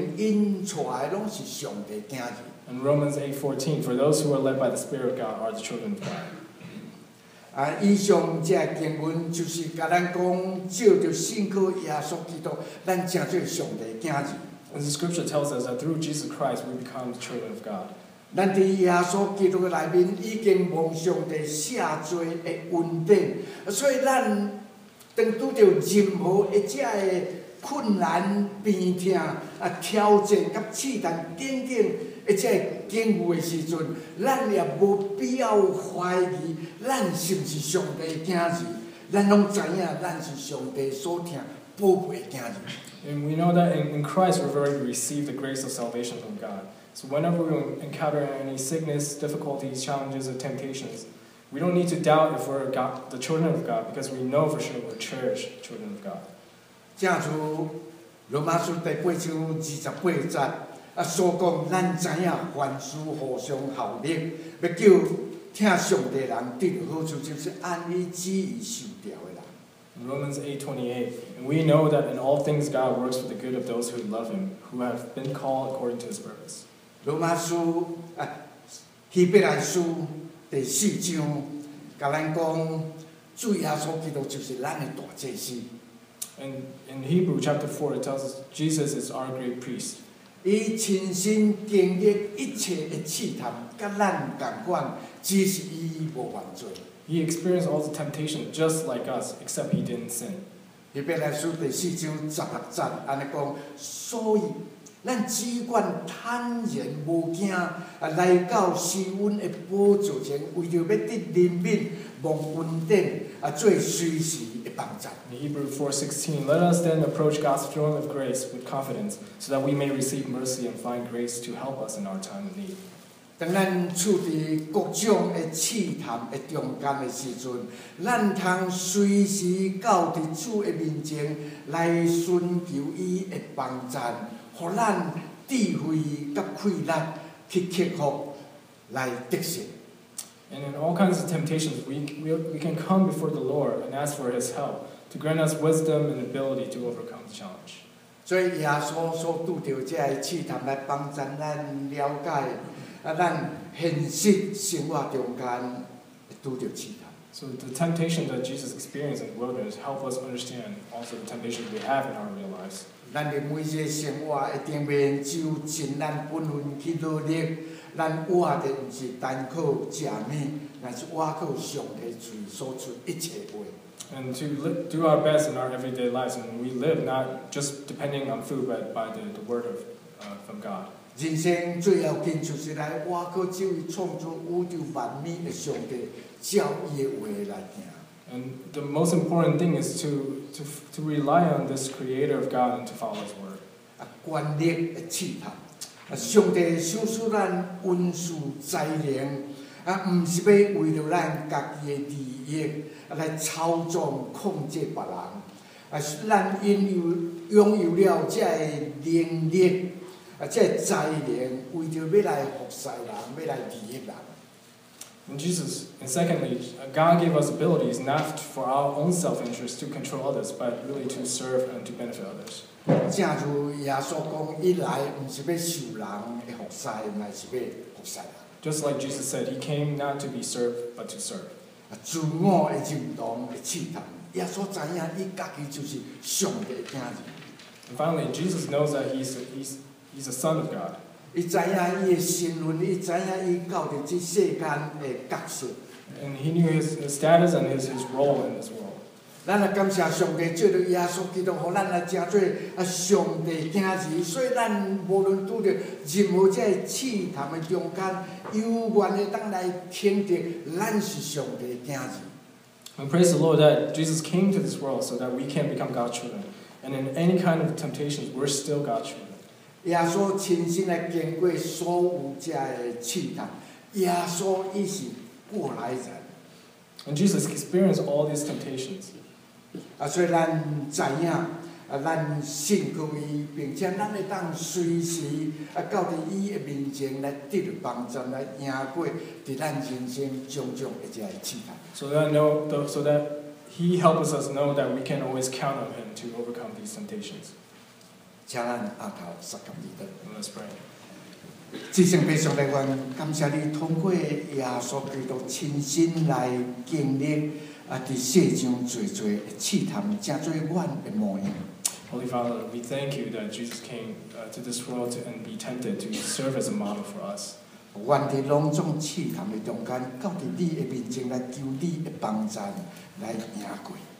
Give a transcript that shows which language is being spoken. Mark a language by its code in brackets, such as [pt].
[en] And Romans 8:14, for those who are led by the Spirit of God are the children of God. [nan] 以上这经文就是甲咱讲，借着信靠耶稣基督，咱成做上帝子子。 [en] And the scripture tells us that through Jesus Christ we become the children of God. [nan] 咱伫耶稣基督嘅内面已经蒙上帝赦罪嘅恩典，所以咱当拄着任何一只嘅困难、病痛、挑战、甲试探等等。一切经过的时阵，咱也无必要怀疑，咱是不是上帝的儿子？咱拢知影，咱是上帝所疼宝贝的儿子。 [en] And we know that in Christ we've already received the grace of salvation from God. So whenever we encounter any sickness, difficulties, challenges, or temptations, we don't need to doubt if we're God, the children of God, because we know for sure we're cherished children of God. [nan] 正如罗马书第八章二十八节。所讲，咱知影凡事互相效力，要叫听上帝人得好处，就是按伊旨意受召的人。 [en] Romans 8:28, and we know that in all things God works for the good of those who love Him, who have been called according to His purpose. [nan] 罗马书啊，希伯来书第四章，甲咱讲，主耶稣基督就是咱的大祭司。 [en] And in Hebrews 4, it tells us Jesus is our great priest. [nan] 伊亲身经历一切的试探，甲咱同款，只是伊无犯罪。 [en] He experienced all the temptation just like us, except he didn't sin. [nan] 希伯来书第四章十六节安尼讲，所以咱只管坦然无惊，来到施恩的宝座前，为着要得怜悯、蒙恩典，做随时的帮助。 [en] Hebrews 4:16. Let us then approach God's throne of grace with confidence, so that we may receive mercy and find grace to help us in our time of need. [nan] 当咱处在各种的试探、的中间的时阵，咱通随时到伫主的面前来寻求伊的帮助。予咱智慧甲毅力去克服来得胜。 [en] And in all kinds of temptations, we can come before the Lord and ask for His help to grant us wisdom and ability to overcome the challenge. [nan] 所以耶稣所拄到这些试探来帮助咱了解，咱现实生活中间拄到试探。 [en] So the temptation that Jesus experienced in the wilderness help us understand also the temptation we have in our real lives. [nan] 咱的每一个生活一定袂用就尽咱本分去努力，咱活的不是单靠食物，乃是活靠上帝嘴所出一切话。 [en] And to do our best in our everyday lives, and we live not just depending on food, but by the word of from God. [nan] 人生最要紧就是来活靠这位创造宇宙万物的上帝，照伊的话来行。 [en] And the most important thing is to rely on this creator of God and to follow his word. [nan] 管理的试探，上帝赏赐咱恩赐才能，不是要为了咱家己的利益来操纵控制别人，是咱拥有了这些能力，这些才能，为着要来服侍人，要来利益人。 [en] And secondly, God gave us abilities not for our own self-interest to control others, but really to serve and to benefit others. [nan] 正如耶稣讲，一来不是要受人的服侍，乃是要服侍人。 [en] Just like Jesus said, He came not to be served, but to serve. [nan] 自我的认同的试探，耶稣知影，伊家己就是上帝的儿子。 [en] And finally, Jesus knows that he's a son of God. [nan] 伊知影伊的身份，伊知影伊到伫这世间的角色。 [en] And he knew his status and his role in this world. [nan] 咱来感谢上帝，借着耶稣基督，予咱来真做上帝子子。所以咱无论拄着任何这些试探的中间，犹原会当来肯定咱是上帝子子。 [en] And praise the Lord that Jesus came to this world so that we can become God's children. And in any kind of temptations, we're still God's children. [nan] 耶稣亲身来经过所有这的试探，耶稣伊是过来人。 [en] And Jesus experienced all these temptations. [nan] 所以咱知影，咱信靠伊，并且咱会当随时到伫伊的面前来得到帮助，来赢过伫咱人生种种的这试探。 [en] So that He helps us know that we can always count on Him to overcome these temptations. [nan] 请咱阿头十个字的。 [en] Let's pray。 [nan] 至圣父上帝，我感谢你通过耶稣基督亲身来经历伫世上最侪试探，正做阮的模样。 [en] Holy Father, we thank you that Jesus came to this world and be tempted to serve as a model for us。 [nan] 阮伫隆重试探的中间，到伫你的面前来求你的帮助，来赢过。